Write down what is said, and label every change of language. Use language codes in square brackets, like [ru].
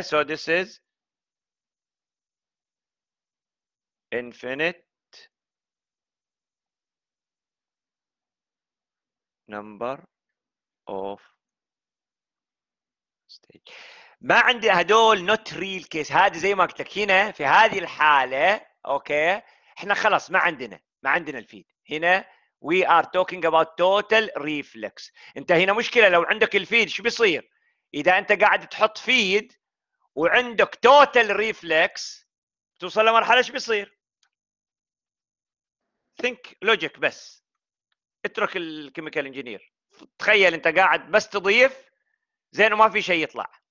[en] So this is infinite number of stage. [ar] ما عندي هدول [en] Not real case. [ar] هذه زي ما قلت لك هنا في هذه الحاله اوكي احنا خلاص ما عندنا الفيد هنا. [en] We are talking about total reflex. [ar] انت هنا مشكلة لو عندك الفيد شو بيصير؟ اذا انت قاعد تحط فيد وعندك [en] total reflex [ar] توصل لمرحلة شو بيصير؟ [en] Think logic [ar] بس. اترك الكيميكال انجينير. تخيل انت قاعد بس تضيف زين وما في شيء يطلع.